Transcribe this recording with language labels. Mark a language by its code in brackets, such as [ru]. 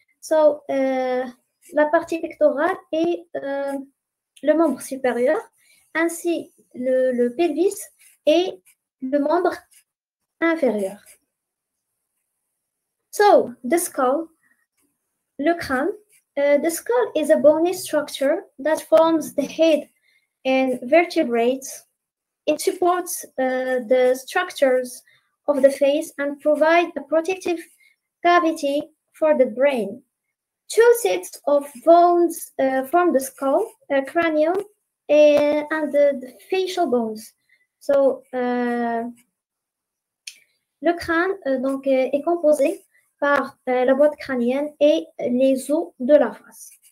[fr] So, la partie pectorale et le membre supérieur, ainsi le pelvis et le membre inférieur. [en] So, the skull, [fr] le crâne. [en] The skull is a bony structure that forms the head and vertebrates. It supports the structures of the face and provides a protective cavity for the brain. Two sets of bones form the skull, cranium, and the facial bones. [fr] So, le crâne donc est composé par la boîte crânienne et les os de la face.